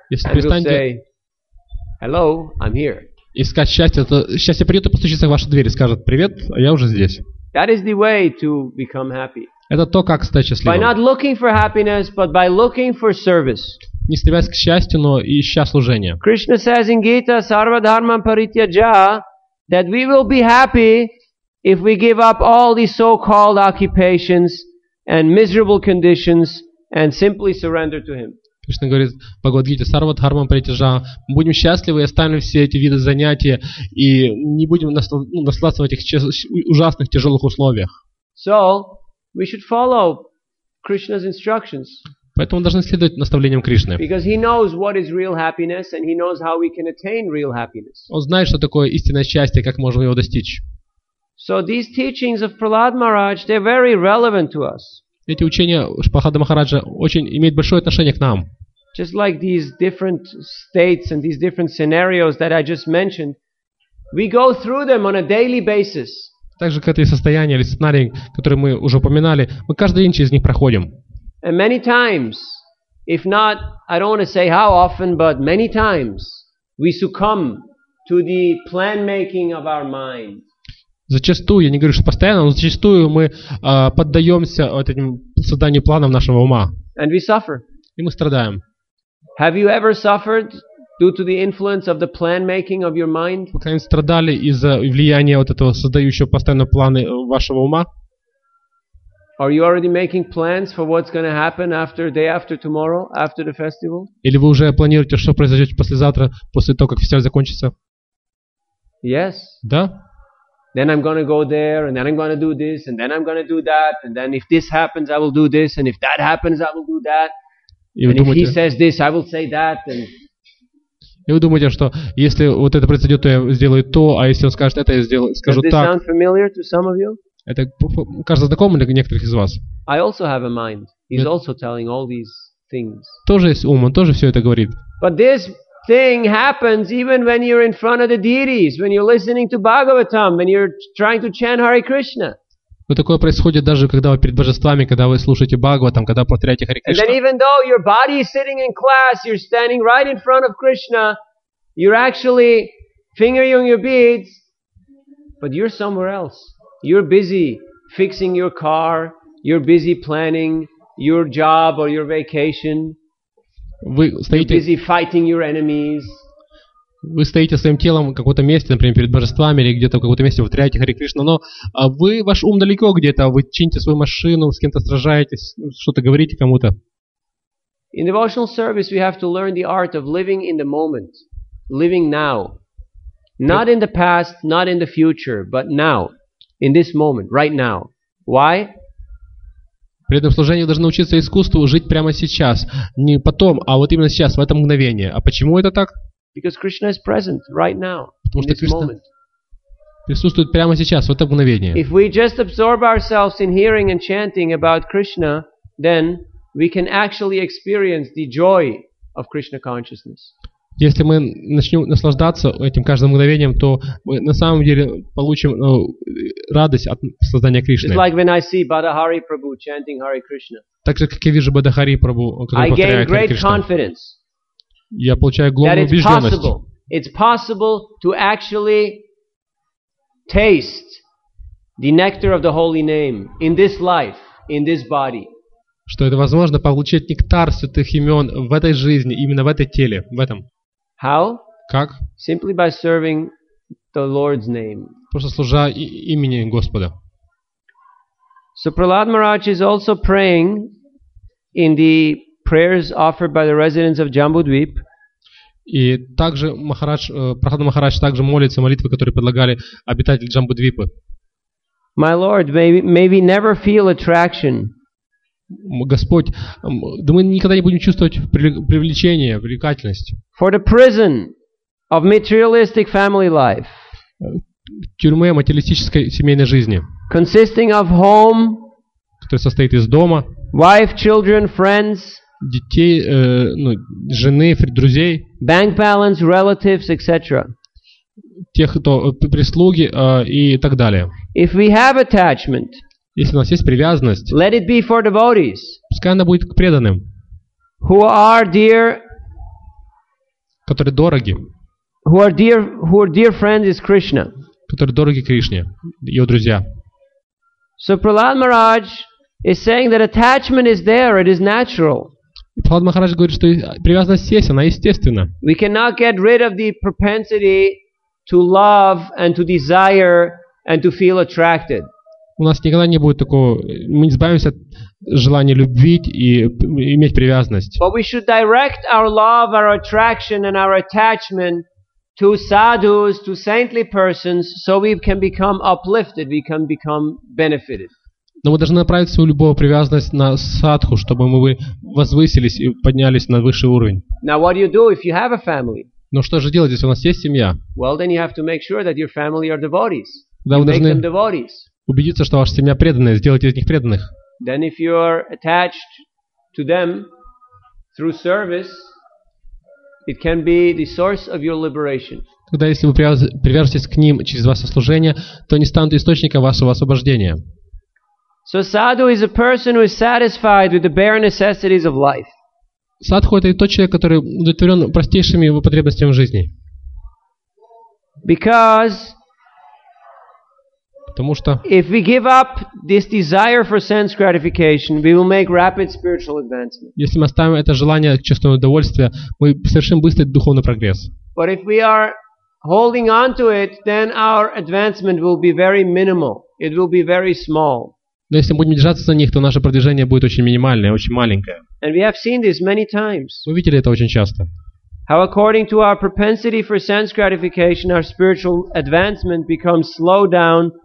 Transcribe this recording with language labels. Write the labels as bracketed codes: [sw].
[ru] Если перестанете [en] Hello, I'm here. [ru] Искать счастье, то счастье придет и постучится в вашу дверь и скажет: «Привет, я уже здесь». [en] That is the way to become happy. [ru] Это то, как стать счастливым. [en] By not looking for happiness, but by looking for service. [ru] Не стремясь к счастью, но ища служение. [en] Krishna says in Gita, Sarva Dharma Parityaja, that we will be happy if we give up all the so-called occupations and miserable conditions and simply surrender to Him. [ru] Кришна говорит, Бхагавад-гите, Сарва Дхарма Паритяджа, мы будем счастливы и оставим все эти виды занятия и не будем наслаждаться в этих ужасных, тяжелых условиях. [en] So, we should follow Krishna's instructions. [ru] Поэтому мы должны следовать наставлениям Кришны. [en] Because he knows what is real happiness and he knows how we can attain real happiness. [ru] Он знает, что такое истинное счастье, как можно его достичь. [en] So, these teachings of Prahlad Maharaj, they're very relevant to us. [ru] Эти учения Прахлада Махараджа очень имеют большое отношение к нам. [en] Just like these different states and these different scenarios that I just mentioned, we go through them on a daily basis. [ru] Также к этой состоянию или сценарии, которые мы уже упоминали, мы каждый день через них проходим. [en] And many times, if not, I don't want to say how often, but many times, we succumb to the plan making of our mind. [ru] Зачастую, я не говорю, что постоянно, но зачастую мы поддаемся этим созданию планов нашего ума. [en] And we suffer. [ru] И мы страдаем. [en] Have you ever suffered due to the influence of the plan making of your mind? [ru] Вы когда-нибудь страдали из-за влияния вот этого создающего постоянно планы вашего ума? [en] Are you already making plans for what's going to happen after day after tomorrow, after the festival? [ru] Или вы уже планируете, что произойдет послезавтра, после того, как фестиваль закончится? [en] Yes. [ru] Да. [en] Then I'm going to go there, and then I'm going to do this, and then I'm going to do that, and then if this happens, I will do this, and if that happens, I will do that. And if he says this, I will say that. [ru] И вы думаете, что если вот это произойдет, то я сделаю то, а если он скажет это, я сделаю, скажу так. [en] Does this sound familiar to some of you? [ru] Это кажется знакомым для некоторых из вас? [en] I also have a mind. He's also telling all these things. [ru] Тоже есть ум, он тоже все это говорит. [en] But this thing happens even when you're in front of the deities, when you're listening to Bhagavatam, when you're trying to chant Hare Krishna. [ru] Но такое происходит даже когда вы перед божествами, когда вы слушаете Бхагаватам, когда повторяете Харе Кришна. [en] And then even though your body is sitting in class, you're standing right in front of Krishna, you're actually fingering your beads, but you're somewhere else. You're busy fixing your car, you're busy planning your job or your vacation. [ru] Вы стоите, [en] you're busy fighting your enemies. [ru] Вы стоите своим телом в каком-то месте, например, перед божествами или где-то в каком-то месте повторяете Харе Кришна, но вы, ваш ум далеко где-то, вы чините свою машину, с кем-то сражаетесь, что-то говорите кому-то. [en] In devotional service we have to learn the art of living in the moment, living now. Not in the past, not in the future, but now, in this moment, right now. Why? [ru] При этом служении должны учиться искусству жить прямо сейчас, не потом, а вот именно сейчас, в это мгновение. А почему это так? [en] Because Krishna is present right now, [ru] потому [en] in this Krishna moment. [ru] Присутствует прямо сейчас, в это мгновение. [en] If we just absorb ourselves in hearing and chanting about Krishna, then we can actually experience the joy of Krishna consciousness. [ru] Если мы начнем наслаждаться этим каждым мгновением, то мы на самом деле получим радость от создания Кришны. [en] It's like when I see Badahari Prabhu chanting Hare Krishna. [ru] Так же, как я вижу Бадахари Прабху, который повторяет Харе Кришна. [en] I gain great confidence. [ru] Я получаю глубокую убежденность. [en] It's possible to actually taste the nectar of the holy name in this life, in this body. [ru] Что это возможно получить нектар святых имен в этой жизни, именно в этой теле, в этом. [en] How? [ru] Как? [en] Simply by serving the Lord's name. [ru] Просто служа имени Господа. [en] So Prahlad Maharaj is also praying in the prayers offered by the residents of Jambudvip. [ru] И также Махарадж, Прахлад Махарадж также молится молитвы, которые предлагали обитатели Джамбудвипы. [en] My Lord, may we never feel attraction. [ru] Господь, да мы никогда не будем чувствовать привлечение, привлекательность. [en] For the prison of materialistic family life. [ru] Тюрьмы материалистической семейной жизни. [en] Consisting of home. [ru] Которая состоит из дома. [en] Wife, children, friends. [ru] Детей, жены, друзей. [en] Bank balance, relatives, etc. [ru] Тех, кто прислуги и так далее. [en] If we have attachment. [ru] Если у нас есть привязанность, [en] let it be for devotees, [ru] пускай она будет к преданным, [en] who are dear, [ru] которые дороги, [en] who are dear friends is Krishna, [ru] которые дороги Кришне, его друзья. [en] So Prahlad Maharaj is saying that attachment is there, it is natural. [ru] Прахлад Махарадж говорит, что привязанность есть, она естественна. [en] We cannot get rid of the propensity to love and to desire and to feel attracted. [ru] У нас никогда не будет такого, мы не избавимся от желания любить и иметь привязанность. [en] But we should direct our love, our attraction and our attachment to sadhus, to saintly persons, so we can become uplifted, we can become benefited. [ru] Но мы должны направить свою любовь, привязанность на садху, чтобы мы возвысились и поднялись на высший уровень. [en] Now what do you do if you have a family? [ru] Но что же делать, если у нас есть семья? [en] Well then you have to make sure that your family are devotees. [ru] Да, [en] you make them devotees. [ru] Убедиться, что ваша семья преданная, сделайте из них преданных. [en] Then if you are attached to them through service, it can be the source of your liberation. [ru] Тогда, если вы привяжетесь к ним через ваше служение, то они станут источником вашего освобождения. [en] So sadhu is a person who is satisfied with the bare necessities of life. [ru] Садху — это тот человек, который удовлетворен простейшими его потребностями в жизни. [en] Because [ru] потому что [en] if we give up this desire for sense gratification, we will make rapid spiritual advancement. [ru] Если мы оставим это желание чувственного удовольствия, мы совершим быстрый духовный прогресс. [en] But if we are holding on to it, then our advancement will be very minimal. It will be very small. [ru] Но если мы будем держаться за них, то наше продвижение будет очень минимальное, очень маленькое. [en] And we have seen this many times. [ru] Мы видели это очень часто. [en] How according to our propensity for sense gratification, our spiritual advancement becomes slowed down.